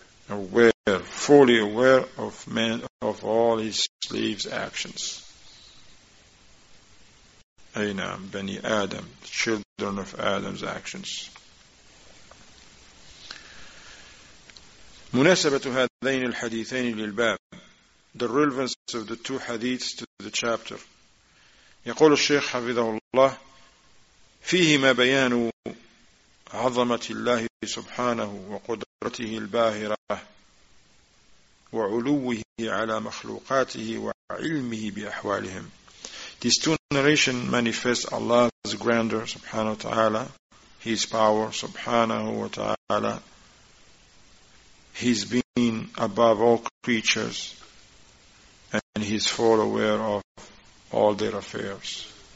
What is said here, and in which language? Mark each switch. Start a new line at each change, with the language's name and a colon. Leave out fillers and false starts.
English: Aware, fully aware of man, of all His slaves' actions. Aynam, Bani Adam, children of Adam's actions.
Arabic: مناسبة هذين الحديثين للباب.
English: The relevance of the two hadiths to the chapter.
Arabic: يقول الشيخ حفظه الله فيهما بيان عظمة الله سبحانه وقدرته الباهرة وعلوه على مخلوقاته وعلمه بأحوالهم.
English: These two narrations manifest Allah's grandeur
Arabic: سبحانه وتعالى,
English: His power سبحانه وتعالى, His being above all creatures, and He's full aware of all their affairs.